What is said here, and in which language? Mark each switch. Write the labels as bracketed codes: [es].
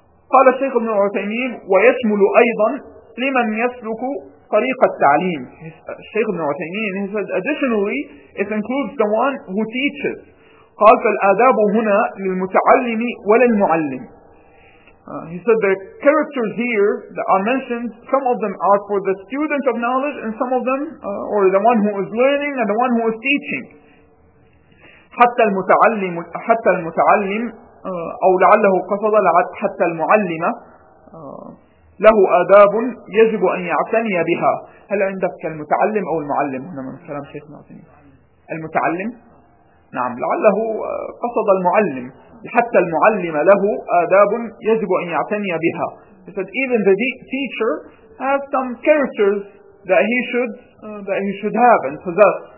[ar] قال الشيخ ابن عثيمين ويشمل أيضا لمن يسلك طريق التعليم. [en] الشيخ ابن عثيمين, he said, additionally, it includes the one who teaches. [ar] قال فالآداب هنا للمتعلم وللمعلم. [en] He said the characters here that are mentioned, some of them are for the student of knowledge and some of them or the one who is learning and the one who is teaching. [ar] حتى المتعلم أو لعله قصد حتى المعلمة له آداب يجب أن يعتني بها. هل عندك المتعلم أو المعلم هنا من كلام شيخ ناصري؟ المتعلم, نعم, لعله قصد المعلم. حتى المعلم له آداب يجب أن يعتني بها. [en] He said even the teacher has some characters that he should have and possess.